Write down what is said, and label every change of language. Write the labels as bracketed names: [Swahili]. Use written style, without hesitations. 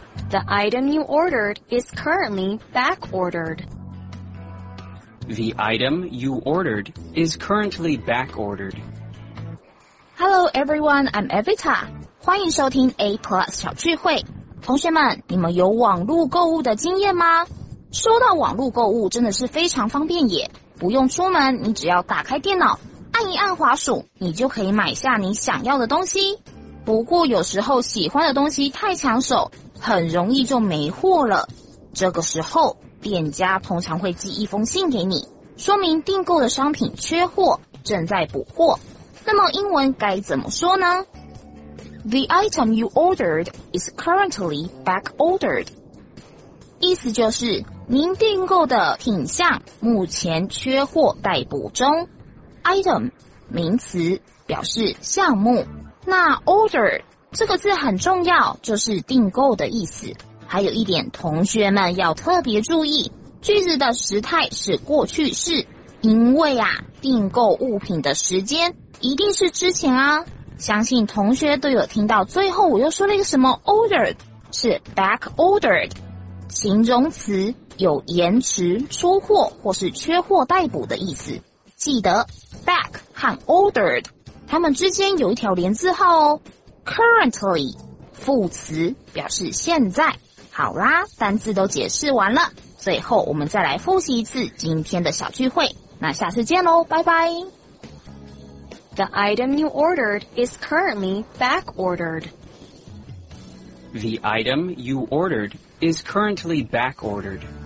[English] The item you ordered is currently back-ordered. The item you ordered is currently back-ordered. Hello everyone, I'm Evita. [Chinese] 欢迎收听 A Plus 小聚会。同学们，你们有网络购物的经验吗？说到网络购物，真的是非常方便也。不用出门，你只要打开电脑，按一按滑鼠，你就可以买下你想要的东西。不过有时候喜欢的东西太抢手，很容易就没货了。这个时候，店家通常会寄一封信给你，说明订购的商品缺货，正在补货。那么英文该怎么说呢？ [English] The item you ordered is currently back ordered. [Chinese] 意思就是您订购的品项目前缺货待补中。 Item 名词表示项目，那 order 这个字很重要，就是订购的意思。还有一点同学们要特别注意，句子的时态是过去式，因为啊订购物品的时间一定是之前啊。相信同学都有听到最后我又说了一个什么 ordered， 是 back ordered， 形容词，有延迟、出货或是缺货待补的意思。记得 back 和 ordered 它们之间有一条连字号哦。 currently 副词表示现在。好啦，单字都解释完了，最后我们再来复习一次今天的小聚会，那下次见咯，拜拜。 [English] The item you ordered is currently back ordered. The item you ordered is currently back ordered.